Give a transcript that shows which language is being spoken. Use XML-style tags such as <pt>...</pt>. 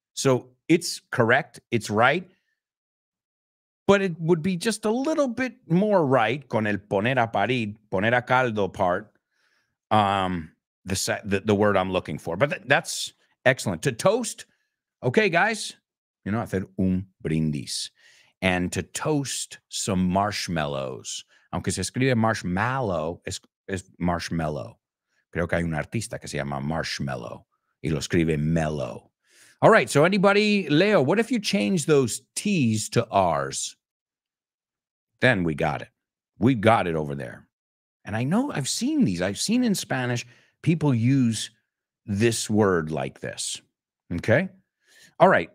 <en>So it's correct. It's right. But it would be just a little bit more right</en> <es>con el poner a parir, poner a caldo</es> <en>part. The word I'm looking for, but that's excellent. To toast, okay, guys, you know,</en> <es>hacer un brindis,</es> <en>and to toast some marshmallows.</en> <es>Aunque se escribe marshmallow, es marshmallow. Creo que hay un artista que se llama Marshmallow y lo escribe mellow.</es> <en>All right, so anybody, Leo, what if you change those T's to R's? Then we got it. We got it over there. And I know I've seen these. I've seen in Spanish people use this word like this. Okay? All right.</en>